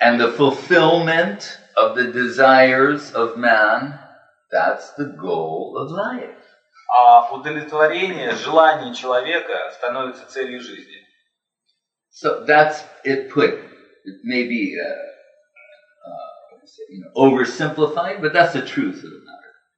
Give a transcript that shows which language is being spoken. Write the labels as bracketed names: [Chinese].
[English] And the fulfillment of the desires of man, that's the goal of life. [Russian] А удовлетворение желаний человека становится целью жизни. [English] So that's it put. It may be oversimplified, but that's the truth of the matter.